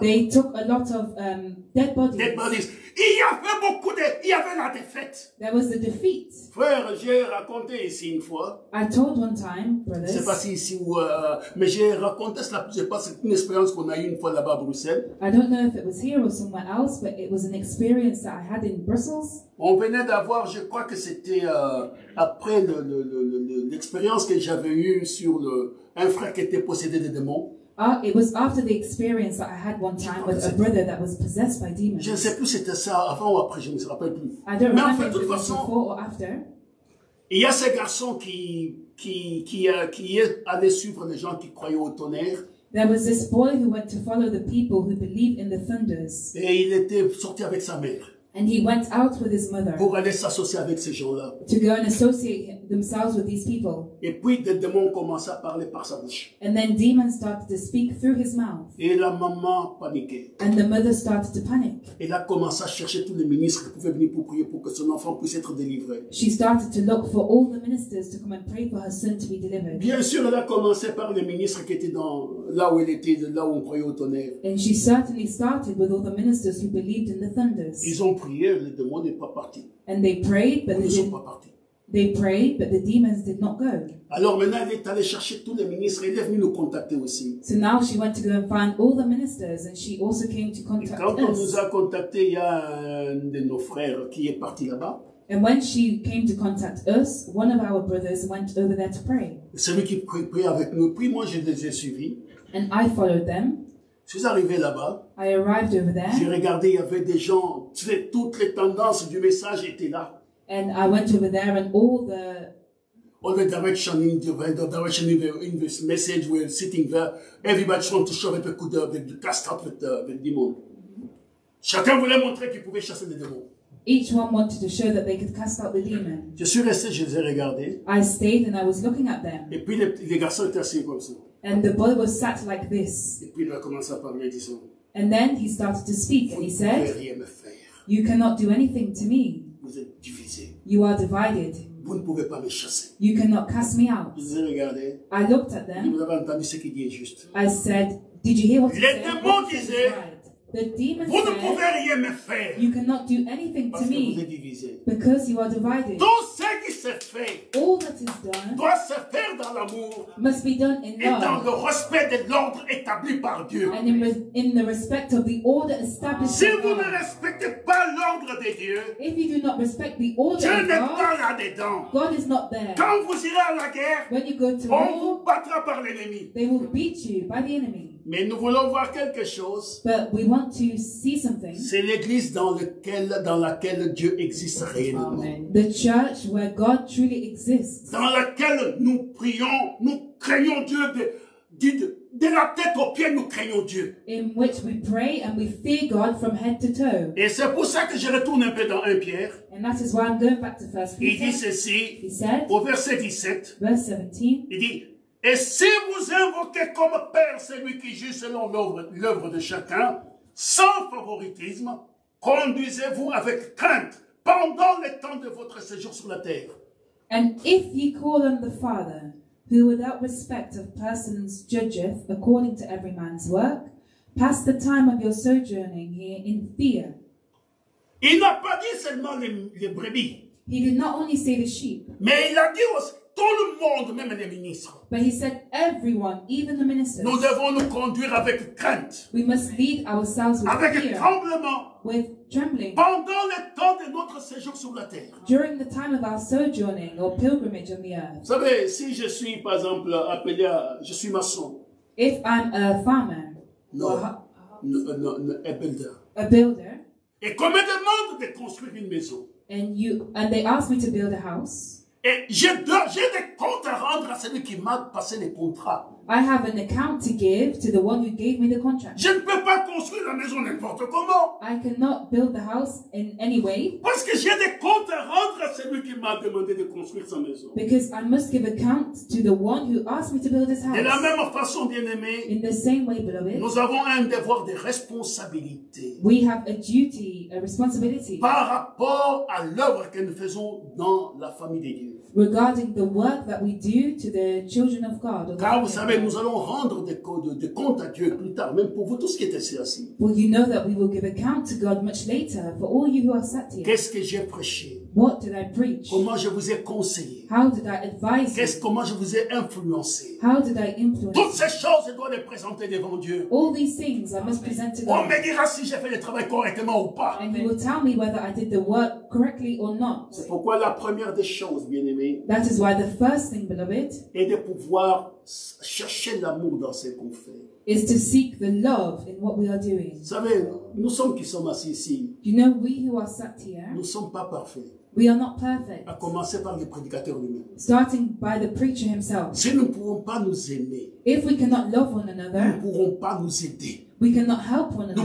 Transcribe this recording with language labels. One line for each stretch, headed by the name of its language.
English: They took a lot of dead bodies. Dead bodies.
French: Il y avait beaucoup de. Il y avait la défaite.
English: There was the defeat.
French: Frère, j'ai raconté ici une fois.
English: I told one time, brothers.
French: C'est pas si ici ou mais j'ai raconté cela. C'est pas une expérience qu'on a eu une fois là-bas à Bruxelles.
English: I don't know if it was here or somewhere else, but it was an experience that I had in Brussels.
French: On venait d'avoir, je crois que c'était après l'expérience que j'avais eue sur un frère qui était possédé de démons.
English: Ah, it was after the experience that I had one time with a brother that was possessed by demons.
French: Je ne sais plus si c'était ça avant ou après, je ne me rappelle plus.
English: I don't remember if it was before or after.
French: Il y a ce garçon qui allait suivre les gens qui croyaient au tonnerre.
English: There was this boy who went to follow the people who believed in the thunders.
French: Et il était sorti avec sa mère.
English: And he went out with his mother.
French: Pour aller s'associer avec ces gens-là.
English: To go and associate themselves with these people.
French: Et puis des démons commençaient à parler par sa bouche.
English: And then demons started to speak through his mouth.
French: Et la maman paniquait.
English: And the mother started to panic.
French: Et là commençait à chercher tous les ministres qui pouvaient venir pour prier pour que son enfant puisse être délivré.
English: She started to look for all the ministers to come and pray for her son to be delivered.
French: Bien sûr, elle a commencé par les ministres qui étaient dans là où elle était, là où on croyait au tonnerre.
English: And she certainly started with all the ministers who believed in the thunders.
French: Ils ont prié, le démon n'est pas parti.
English: And they prayed, but
French: ils ne sont pas partis.
English: They prayed, but the demons did not go.
French: Alors maintenant, elle est allée chercher tous les ministres et elle est venue nous contacter aussi.
English: So now she went to go and find all the ministers and she also came to contact
French: et quand
English: us.
French: Quand on nous a contacté, il y a un de nos frères qui est parti là-bas.
English: And when she came to contact us, one of our brothers went over there to pray.
French: C'est lui qui priait avec nous. Puis moi, je les ai suivis.
English: And I followed them.
French: Je suis arrivé là-bas.
English: I arrived over there.
French: J'ai regardé, il y avait des gens. Toutes les tendances du message étaient là.
English: And I went over there and all the... All the direction in the message were sitting there. Everybody trying to shove up a coup d'œil, to cast out with the demon.
French: Chacun voulait montrer qu'il pouvait chasser les démons.
English: Each one wanted to show that they could cast out the demon.
French: Je suis resté, je les ai regardés.
English: I stayed and I was looking at them.
French: Et puis les garçons étaient assis comme ça.
English: And the boy was sat like this.
French: Et puis il a commencé à parler, disant.
English: And then he started to speak and he said,
French: vous ne pouvez rien me faire.
English: You cannot do anything to me.
French: Vous êtes divisé.
English: You are divided.
French: Vous ne pouvez pas me chasser.
English: You cannot cast me out.
French: Je les ai regardés.
English: I looked at them.
French: Vous avez entendu ce qu'il dit juste.
English: I said, did you hear what
French: les démons disaient.
English: The demon
French: vous
English: said,
French: ne pouvez rien me faire.
English: You cannot do anything
French: parce
English: to me.
French: Vous êtes divisé.
English: Because you are divided.
French: Tout ce qui se fait.
English: All that is done.
French: Doit se faire dans l'amour.
English: Must be done in love.
French: Et dans le respect de l'ordre établi par Dieu.
English: And in the respect of the order established
French: si
English: by God.
French: Si vous ne respectez pas l'ordre de Dieu.
English: If you do not respect the order
French: Dieu
English: of God.
French: Dieu n'est pas là-dedans.
English: God is not there.
French: Quand vous irez à la guerre.
English: When you go to war.
French: On vous battra par l'ennemi.
English: They will beat you by the enemy.
French: Mais nous voulons voir quelque chose.
English: But we want to see something.
French: C'est l'église dans laquelle Dieu existe réellement.
English: Amen. The church where God truly exists.
French: Dans laquelle nous prions, nous craignons Dieu de la tête aux pieds, nous craignons Dieu.
English: In which we pray and we fear God from head to toe.
French: Et c'est pour ça que je retourne un peu dans 1 Pierre.
English: And that is why I'm going back to 1 Peter.
French: Il dit ceci.
English: He said,
French: au verset 17.
English: Verse 17.
French: Il dit. Et si vous invoquez comme Père celui qui juge selon l'œuvre de chacun, sans favoritisme, conduisez-vous avec crainte pendant le temps de votre séjour sur la terre.
English: And if ye call on the Father, who without respect of persons judgeth according to every man's work, pass the time of your sojourning here in fear.
French: Il n'a pas dit seulement les brebis.
English: He did not only say the sheep.
French: Mais il a dit aussi. Tout le monde, même les ministres.
English: But he said, everyone, even the ministers.
French: Nous devons nous conduire avec crainte.
English: We must lead ourselves with
French: avec
English: fear.
French: Avec tremblement.
English: With trembling.
French: Pendant le temps de notre séjour sur la terre.
English: During the time of our sojourning or pilgrimage on the earth.
French: Vous savez, si je suis, par exemple, appelé à... Je suis maçon.
English: If I'm a farmer. No, a builder. A builder.
French: Et qu'on me demande de construire une maison.
English: And they ask me to build a house.
French: Et j'ai des comptes à rendre à celui qui m'a passé les contrats.
English: I have an account to give to the one who gave me the contract.
French: Je ne peux pas construire la maison n'importe comment.
English: I cannot build the house in any way.
French: Parce que j'ai des comptes à rendre à celui qui m'a demandé de construire sa maison.
English: Because I must give account to the one who asked me to build his house.
French: De la même façon, bien aimé.
English: In the same way, beloved.
French: Nous avons un devoir de responsabilité.
English: We have a duty, a responsibility.
French: Par rapport à l'œuvre que nous faisons dans la famille de Dieu.
English: Regarding the work that we do to the children of God.
French: Car vous savez, nous allons rendre des comptes à Dieu plus tard, même pour vous tous qui êtes assis.
English: Well, you know that we will give account to God much later for all you who are sat here.
French: Qu'est-ce que j'ai prêché?
English: What did I preach?
French: Comment je vous ai conseillé?
English: How did I advise?
French: Qu'est-ce comment je vous ai influencé?
English: How did I influence?
French: Toutes ces choses, je dois les présenter devant Dieu.
English: All these things I must present to God.
French: On me dira si j'ai fait le travail correctement ou pas.
English: And He will tell me whether I did the work correctly or not.
French: C'est pourquoi la première des choses, bien aimé.
English: That is why the first thing, beloved.
French: Est de pouvoir chercher l'amour dans ce qu'on fait.
English: Is to seek the love in what we are doing.
French: Vous savez, nous sommes qui sommes assis ici.
English: You know, we who are sat here.
French: Nous sommes pas parfaits.
English: We are not perfect.
French: À commencer par le prédicateur lui-même.
English: Starting by the preacher himself.
French: Si nous ne pouvons pas nous aimer.
English: If we cannot love one another.
French: Nous ne pourrons pas nous aider.
English: We cannot help one another.